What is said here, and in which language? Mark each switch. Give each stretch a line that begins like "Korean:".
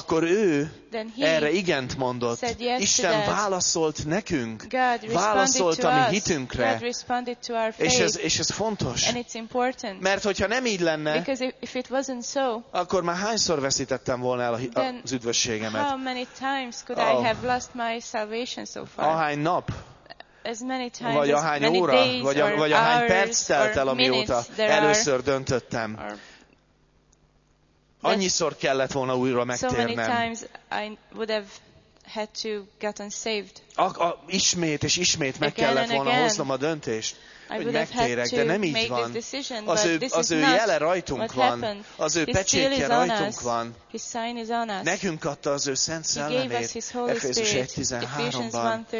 Hungarian: akkor ő erre igent mondott.
English: Said yes
Hungarian: Isten
English: to that.
Hungarian: Válaszolt nekünk.
English: God
Hungarian: válaszolt
English: responded
Hungarian: a mi hitünkre.
English: God responded to our faith.
Hungarian: És ez fontos.
English: And it's important.
Hungarian: Mert hogyha nem így lenne,
English: because if it wasn't so,
Hungarian: akkor már hányszor veszítettem volna el az üdvösségemet.
English: How many times could I have lost my salvation so far?
Hungarian: Ahány nap?
English: As many times,
Hungarian: vagy ahány
English: as many
Hungarian: óra,
English: days
Hungarian: vagy,
English: or
Hungarian: vagy ahány perc telt el, amióta először döntöttem. Annyiszor kellett volna újra megtérnem.
English: So many times I would have had to gotten saved.
Hungarian: Ismét és ismét meg kellett volna hoznom a döntést, hogy megtérek, de nem így van. Az ő jele rajtunk van. Az ő pecsétje rajtunk van.
English: His sign is on us.
Hungarian: Nekünk adta az ő szent szellemét, Efézus 1.13-ban.